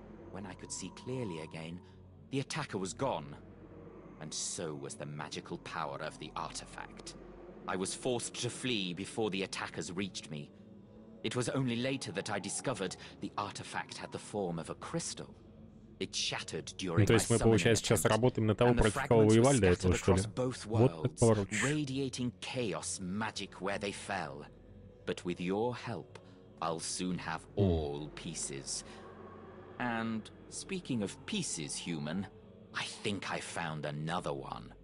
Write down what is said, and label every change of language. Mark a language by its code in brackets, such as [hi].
[en] When I could see clearly again, the attacker was gone. And so was the magical power of the artifact. I was forced to flee before the attackers reached me. It was only later that I discovered the artifact had the form of a crystal. It shattered during [ru] То есть мы, получается, сейчас работаем на того, против кого воевали до этого, что ли? Вот так поворотишь. [en] Radiating chaos magic where they fell. But with your help, I'll soon have all pieces. And speaking of pieces, human, I think I found another one.